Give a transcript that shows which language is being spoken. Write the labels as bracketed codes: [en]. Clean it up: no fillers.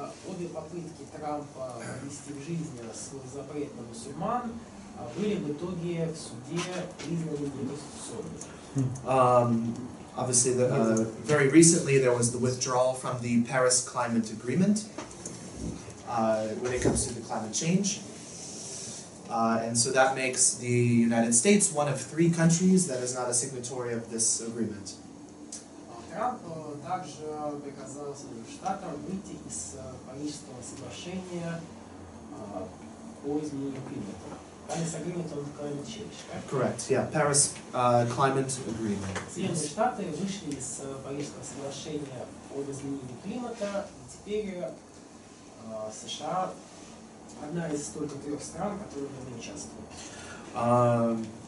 [ru] Обе попытки Трампа ввести в жизнь свой запрет на мусульман были в итоге в суде признаны неконституционными. [en] Obviously, very recently there was the withdrawal from the Paris Climate Agreement when it comes to the climate change. And so that makes the United States one of three countries that is not a signatory of this agreement. [ru] Трамп также приказал Соединенным Штатам выйти из Парижского соглашения по изменению климата. [en] Paris Agreement on Climate Change. Correct, yeah, Paris Climate Agreement. [ru] Соединенные Штаты вышли из Парижского соглашения по изменению климата, и теперь США одна из только трех стран, которые в этом участвуют.